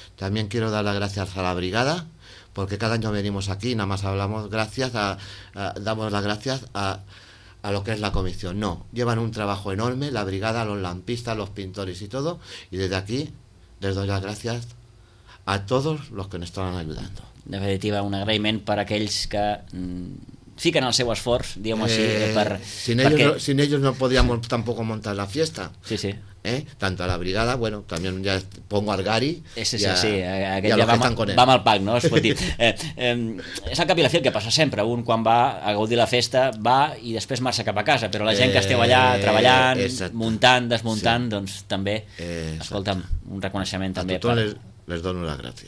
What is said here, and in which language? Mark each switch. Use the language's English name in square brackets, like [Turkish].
[Spanish] También quiero dar las gracias a la brigada, porque cada año venimos aquí y nada más hablamos gracias damos las gracias a lo que es la comisión. No, llevan un trabajo enorme, la brigada, los lampistas, los pintores y todo, y desde aquí les doy las gracias a todos los que nos están ayudando. [Catalan] En definitiva, un agraïment per aquells que fiquen el seu esforç, diguem-ho així. [Spanish] Sin ellos no podíamos tampoco montar la fiesta. Sí, sí. Tanto a la brigada, bueno, también ya pongo al Gary. [Catalan] Sí, aquest ja va amb el pack, no? És el cap i la fi el que passa sempre. Un, quan va a gaudir la festa, va i després marxa cap a casa. Però la gent que esteu allà treballant, muntant, desmuntant, doncs també, escolta'm, un reconeixement també. A tothom les dono les gràcies.